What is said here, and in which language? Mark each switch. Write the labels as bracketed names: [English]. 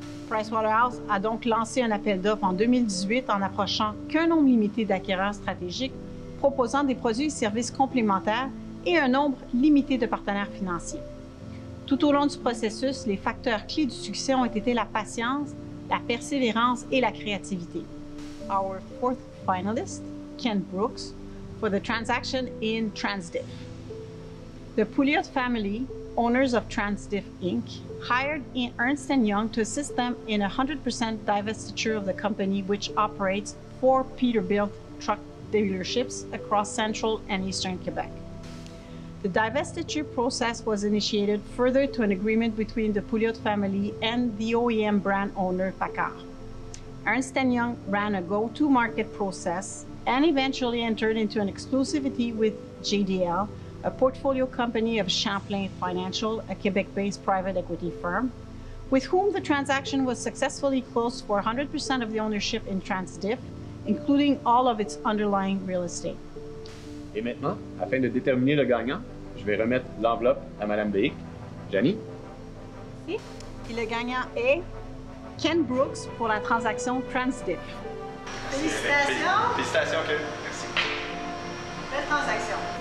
[French] Pricewaterhouse a donc lancé un appel d'offres en 2018 en approchant qu'un nombre limité d'acquéreurs stratégiques proposant des produits et services complémentaires et un nombre limité de partenaires financiers. Tout au long du processus, les facteurs clés du succès ont été la patience, la persévérance et la créativité. [English] Our fourth finalist, Ken Brooks, for the transaction in Transdiff. The Pouliot family, owners of Transdiff Inc., hired Ernst & Young to assist them in 100% divestiture of the company, which operates four Peterbilt truck dealerships across central and eastern Quebec. The divestiture process was initiated further to an agreement between the Pouliot family and the OEM brand owner, Paccar. Ernst & Young ran a go-to-market process and eventually entered into an exclusivity with JDL, a portfolio company of Champlain Financial, a Quebec-based private equity firm, with whom the transaction was successfully closed for 100% of the ownership in Transdiff, including all of its underlying real estate. [French] Et maintenant, afin de déterminer le gagnant, je vais remettre l'enveloppe à Madame Baik. Janie? Merci. Et le gagnant est Ken Brooks pour la transaction Transdiff. Félicitations! Félicitations, Ken. Merci. Belle transaction.